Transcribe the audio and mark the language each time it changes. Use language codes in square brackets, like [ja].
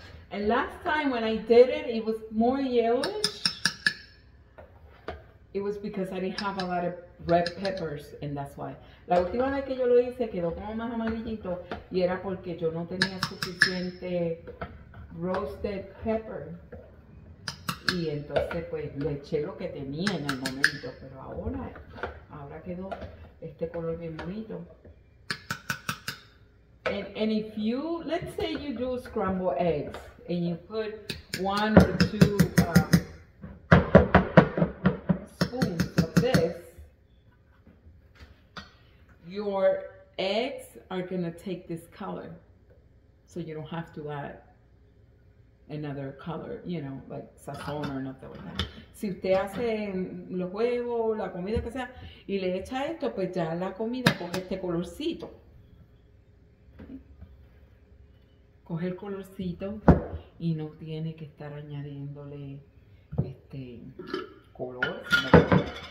[en] And last time when I did it, it was more yellowish. It was because I didn't have a lot of red peppers, and that's why. [es] La última vez que yo lo hice quedó como más amarillito, y era porque yo no tenía suficiente [en] roasted pepper. [es] Y entonces pues le eché lo que tenía en el momento, pero ahora quedó este color bien bonito. [en] And if you, let's say you do scrambled eggs, and you put one or two spoons of this, your eggs are gonna take this color, so you don't have to add another color, you know, like sazón or nothing like that. [es] Si usted hace los huevos, la comida que sea, y le echa esto, pues ya la comida coge este colorcito. Coge el colorcito y no tiene que estar añadiéndole este color. Sino que...